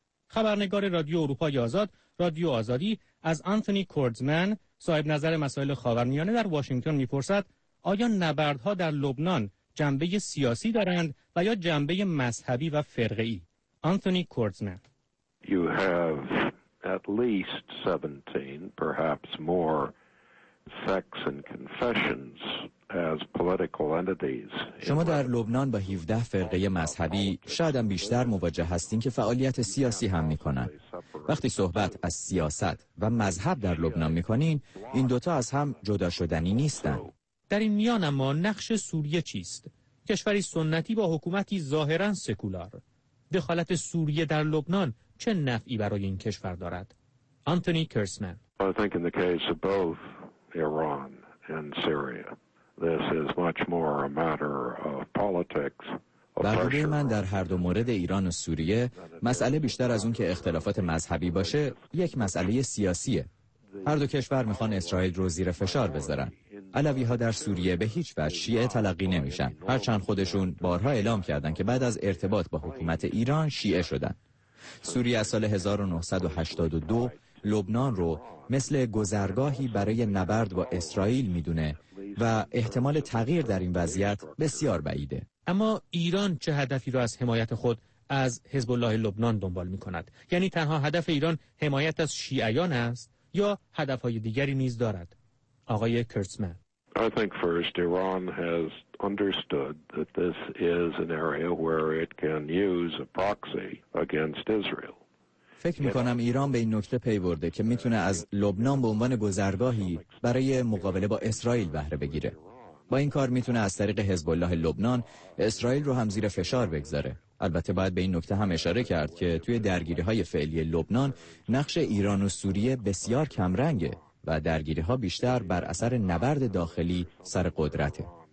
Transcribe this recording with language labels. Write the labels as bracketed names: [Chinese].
[Persian] خبرنگار رادیو اروپای آزاد، رادیو آزادی، از آنتونی کوردزمن، صاحب نظر مسائل خاورمیانه در واشنگتن می‌پرسد آیا نبردها در لبنان جنبه سیاسی دارند و یا جنبه مذهبی و فرقه‌ای؟ آنتونی کوردزمن: [English] You have at least 17, perhaps more, sects and confessions as political entities. [Persian] شما در لبنان با 17 فرقه مذهبی شاید هم بیشتر مواجه هستین که فعالیت سیاسی هم میکنن. وقتی صحبت از سیاست و مذهب در لبنان میکنین، این دوتا از هم جدا شدنی نیستن. در این میان اما نقش سوریه چیست؟ کشوری سنتی با حکومتی ظاهراً سکولار. دخالت سوریه در لبنان چه نفعی برای این کشور دارد؟ آنتونی کرسمن. [English] I think in the case of both Iran and Syria, this is much more a matter of politics. [Persian] برای من در هر دو مورد ایران و سوریه مسئله بیشتر از اون که اختلافات مذهبی باشه یک مسئله سیاسیه. هر دو کشور میخوان اسرائیل رو زیر فشار بذارن. علوی ها در سوریه به هیچ وجه شیعه تلقی نمیشن، هرچند خودشون بارها اعلام کردن که بعد از ارتباط با حکومت ایران شیعه شدن. سوریه از سال 1982 لبنان رو مثل گذرگاهی برای نبرد با اسرائیل میدونه و احتمال تغییر در این وضعیت بسیار بعیده. اما ایران چه هدفی رو از حمایت خود از حزب الله لبنان دنبال میکند؟ یعنی تنها هدف ایران حمایت از شیعیان است یا هدفهای دیگری نیز دارد؟ آقای کرسمن. [English] I think first Iran has understood that this is an area where it can use a proxy against Israel. [Persian] فکر میکنم ایران به این نکته پی برده که میتونه از لبنان به عنوان گذرگاهی برای مقابله با اسرائیل بهره بگیره. با این کار میتونه از طریق حزب الله لبنان اسرائیل رو هم زیر فشار بگذاره. البته باید به این نکته هم اشاره کرد که توی درگیری های فعلی لبنان نقش ایران و سوریه بسیار کم رنگه و درگیری ها بیشتر بر اثر نبرد داخلی سر قدرته.